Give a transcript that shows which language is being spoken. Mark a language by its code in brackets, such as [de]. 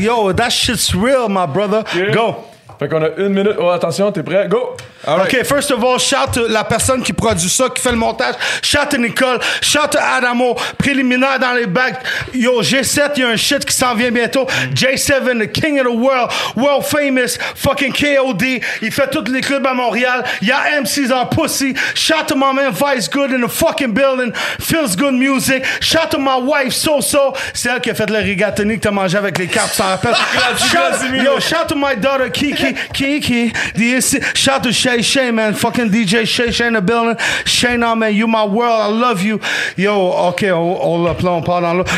[en] Yo, that shit's real, my brother. Okay. Go. [fr] Fait qu'on a une minute. Oh, attention, t'es prêt? Go! [en] OK, first of all, [fr] shout la personne qui produit ça, qui fait le montage. Shout Nicole, shout Adamo, préliminaire dans les bacs. Yo, G7, il y a un shit qui s'en vient bientôt. [en] J7, the king of the world, world famous, fucking KOD. [fr] Il fait tous les clubs à Montréal. Il y a MCs en pussy. [en] Shout to my man Vice Good in the fucking building. Feels good music. Shout to my wife So-So. [fr] C'est elle qui a fait le rigatoni que t'as mangé avec les cartes, ça rappelle. [en] Yo, shout to my daughter Kiki. Kiki, the AC. Shout to Shay Shay, man. Fucking DJ Shay Shay in the building. Shay, now, man, you my world. I love you. Yo, okay, hold up, [fr] on parle dans l'autre.